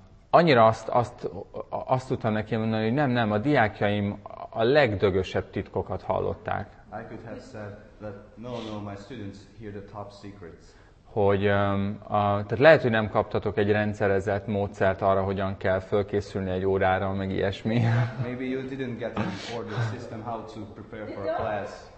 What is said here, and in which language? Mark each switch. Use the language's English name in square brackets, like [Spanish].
[Hungarian] Annyira azt tudtam neki mondani, hogy nem, a diákjaim a legdögösebb titkokat hallották. [English] I could have said that no, my students hear the top secrets. [Hungarian] Hogy tehát lehet, hogy nem kaptatok egy rendszerezett módszert arra, hogyan kell fölkészülni egy órára, meg ilyesmi. [English] Maybe you didn't get an order system how to prepare for a class.